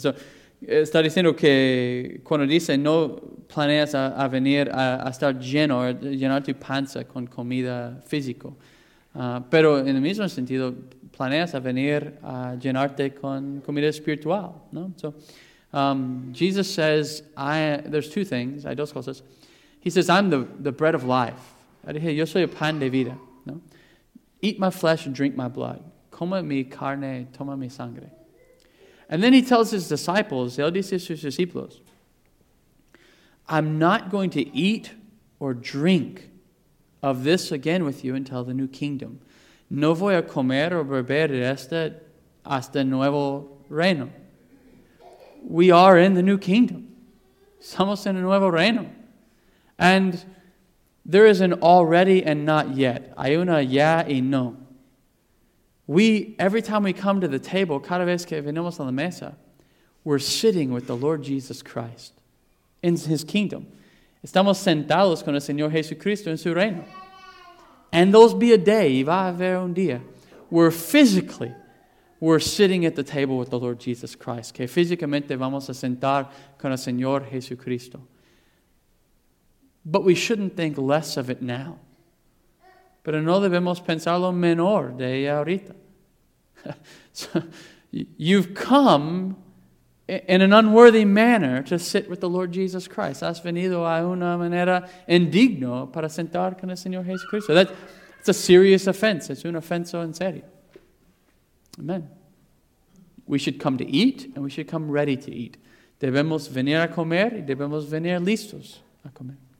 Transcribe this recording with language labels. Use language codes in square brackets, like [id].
[es] So, está diciendo que cuando dice no planeas a venir a estar lleno, a llenar tu panza con comida físico. Pero en el mismo sentido, planeas a venir a llenarte con comida espiritual, ¿no? [en] So, Jesus says, there's two things, [es] hay dos cosas. [en] He says, I'm the bread of life. [es] Yo soy el pan de vida, ¿no? [en] Eat my flesh and drink my blood. [es] Toma mi carne, toma mi sangre. [en] And then he tells his disciples, [es] él dice a sus discípulos, [en] I'm not going to eat or drink of this again with you until the new kingdom. [es] No voy a comer o beber de este hasta nuevo reino. [en] We are in the new kingdom. [es] Somos en el nuevo reino. [en] And there is an already and not yet. [es] Hay una ya y no. [en] We, every time we come to the table, [es] cada vez que venimos a la mesa, [en] we're sitting with the Lord Jesus Christ in his kingdom. [es] Estamos sentados con el Señor Jesucristo en su reino. [en] And there'll be a day, [es] y va a haber un día, [en] where physically we're sitting at the table with the Lord Jesus Christ. [es] Que físicamente vamos a sentar con el Señor Jesucristo. [en] But we shouldn't think less of it now. [es] Pero no debemos pensar lo menor de ahorita. [en] So, you've come in an unworthy manner to sit with the Lord Jesus Christ. [es] Has venido a una manera indigno para sentar con el Señor Jesucristo. [en] That's a serious offense. [es] Es una ofensa en serio. Amen. [en] We should come to eat and we should come ready to eat. [es] Debemos venir a comer y debemos venir listos a comer.